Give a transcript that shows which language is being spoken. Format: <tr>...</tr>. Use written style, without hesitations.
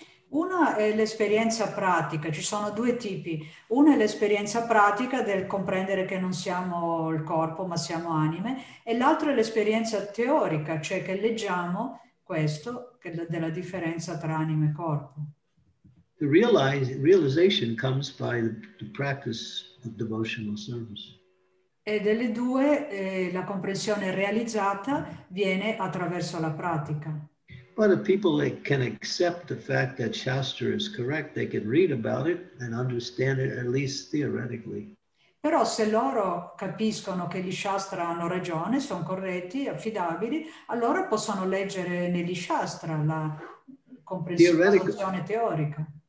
<it>Una è l'esperienza pratica, ci sono due tipi. Una è l'esperienza pratica del comprendere che non siamo il corpo, ma siamo anime, e l'altro è l'esperienza teorica, cioè che leggiamo questo, che della differenza tra anima e corpo.</it> <en>The realization comes by the practice of devotional service.</en> <it>E delle due, la comprensione realizzata viene attraverso la pratica.</it> <en>But if people can accept the fact that Shastra is correct, they can read about it and understand it at least theoretically.</en> <it>Però se loro capiscono che gli Shastra hanno ragione, sono corretti, affidabili, allora possono leggere negli Shastra la comprensione teorica.</it>